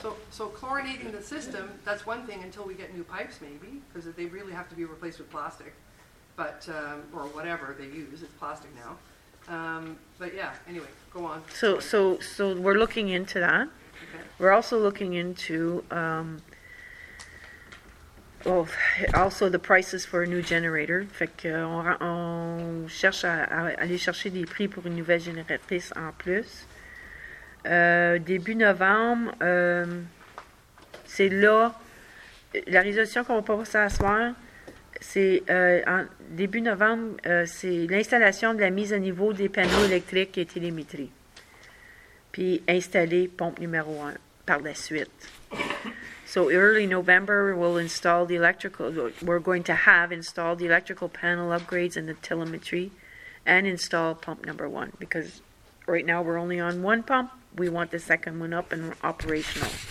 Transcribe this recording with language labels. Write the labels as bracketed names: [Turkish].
[English] So chlorinating the system, that's one thing until we get new pipes maybe, because they really have to be replaced with plastic, but or whatever they use, it's plastic now. But yeah, anyway, go on. So we're looking into that. Okay. We're also looking into also the prices for a new generator. [French] Fait que on cherche à aller chercher des prix pour une nouvelle génératrice en plus. Début novembre, c'est là, la résolution qu'on va pouvoir s'asseoir, c'est en début novembre, c'est l'installation de la mise à niveau des panneaux électriques et télémétrie, puis installer pompe numéro 1 par la suite. [English] So early November, we'll install the electrical, we're going to have installed the electrical panel upgrades and the telemetry, and install pump number 1, because right now we're only on one pump. We want the second one up and operational.